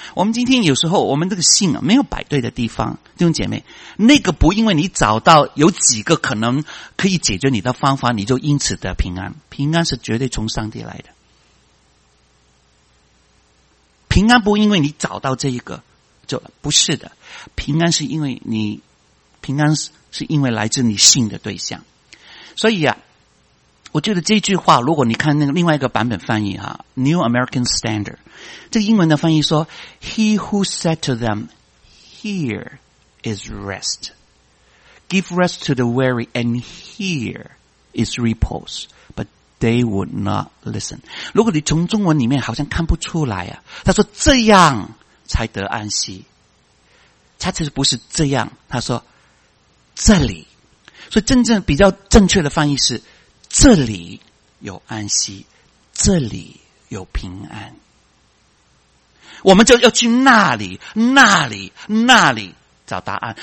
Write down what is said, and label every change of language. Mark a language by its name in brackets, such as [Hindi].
[Chinese] 我们今天有时候我们这个信啊，没有摆对的地方，弟兄姐妹，那个不因为你找到有几个可能可以解决你的方法，你就因此得平安。平安是绝对从上帝来的，平安不因为你找到这一个就不是的，平安是因为你，平安是因为来自你信的对象。所以啊，我觉得这句话，如果你看那个另外一个版本翻译啊 ，New American Standard， 这个英文的翻译说 [English] ：“He who said to them, 'Here is rest, give rest to the weary, and here is repose,' but they would not listen。” [Chinese] 如果你从中文里面好像看不出来啊，他说这样才得安息，他其实不是这样，他说这里，所以真正比较正确的翻译是。这里有安息，这里有平安，我们就要去那里那里那里找答案。